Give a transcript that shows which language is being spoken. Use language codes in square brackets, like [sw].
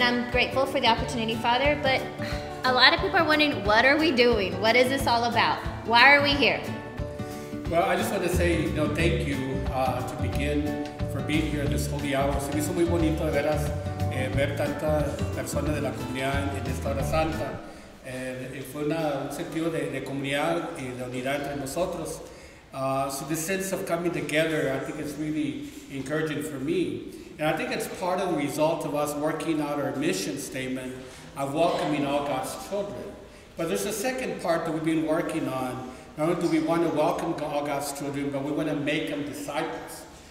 [en] grateful for the opportunity, Father, but a lot of people are wondering, what are we doing? What is this all about? Why are we here? Well, I just want to say, you know, thank you to begin for being here this holy hour. [es] Se me hizo muy bonito, de veras, ver tantas personas de la comunidad en esta hora santa. Fue un sentido de comunidad y de unidad entre nosotros. [en] So the sense of coming together, I think it's really encouraging for me. And I think it's part of the result of us working out our mission statement of welcoming all God's children. But there's a second part that we've been working on. Not only do we want to welcome all God's children, but we want to make them disciples.